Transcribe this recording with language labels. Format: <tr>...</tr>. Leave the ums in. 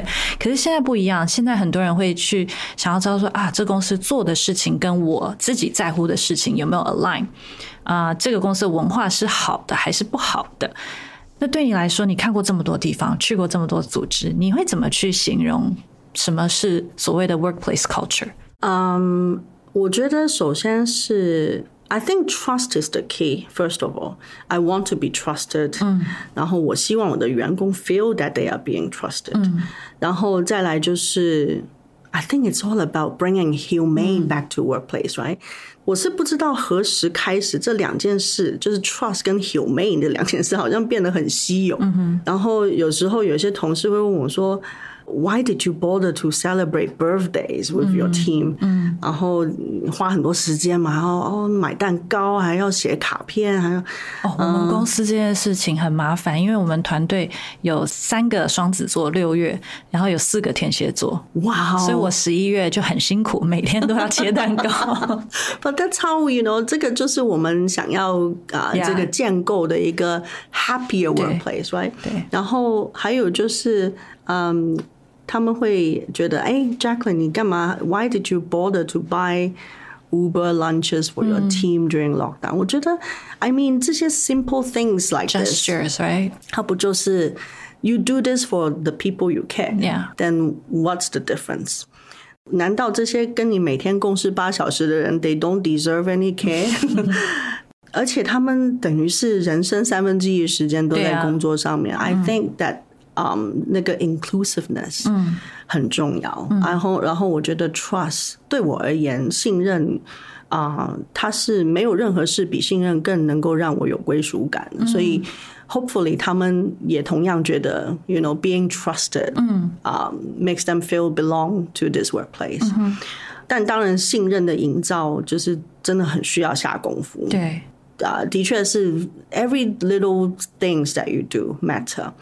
<zh>嗯、可是现在不一样，现在很多人会去想要知道说啊，这公司做的事情跟我自己在乎的事情有没有 align。啊，这个公司文化是好的还是不好的？那对你来说，你看过这么多地方，去过这么多组织，你会怎么去形容什么是所谓的 workplace culture？</zh> <en>嗯，</en> <zh>我觉得首先是</zh> <en>I think trust is the key first of all. I want to be trusted.</en> <zh>然后我希望我的员工</zh> <en>feel that they are being trusted.</en> <zh>然后再来就是</zh> <en>I think it's all about bringing humane back to workplace, right?</en> <zh>我是不知道何时开始，这两件事就是 trust 跟 humane 的两件事，就是、件事好像变得很稀有。嗯、然后有时候有些同事会问我说。</zh> <en>Why did you bother to celebrate birthdays with your team？</en> <zh>嗯，然后花很多时间嘛，然后哦买蛋糕还要写卡片，还有哦我们公司这件事情很麻烦，嗯、因为我们团队有三个双子座六月，然后有四个天蝎座，哇！所以我十一月就很辛苦，每天都要切蛋糕。</zh> <en>But that's how you know，</en> <zh>这个就是我们想要啊、呃、这个建构的一个 happier workplace，right？对。对然后还有就是嗯。</zh> <en>Um,</en> <zh>他们会觉得，</zh> <en>哎，Jacqueline，</en> <zh>你干嘛？</zh> <en>Why did you bother to buy Uber lunches for your team during lockdown？、嗯、</en> <zh>我觉得，</zh> <en>I mm. mean，</en> <zh>这些</zh> <en>simple things like gestures，right？ 它不就是 you do this for the people you care？Then yeah. what's the difference？</en> <zh>难道这些跟你每天共事八小时的人，</zh> <en>they don't deserve any care？</en> <zh>而且他们等于是人生三分之一的时间都在工作上面。</zh> <en>Yeah. Mm -hmm. mm. I think that.</en> <zh>嗯，那个 inclusiveness 很重要。然后，然后我觉得 trust 对我而言，信任啊，它是没有任何事比信任更能够让我有归属感。</zh> <en>所以，hopefully</en> <zh>他们也同样觉得，</zh> <en>you know being trusted，嗯，啊，makes them feel belong to this workplace。</en> <zh>但当然，信任的营造就是真的很需要下功夫。</zh> <en>对，啊，</en> <zh>的确是</zh> <en>every little things that you do matter。</en>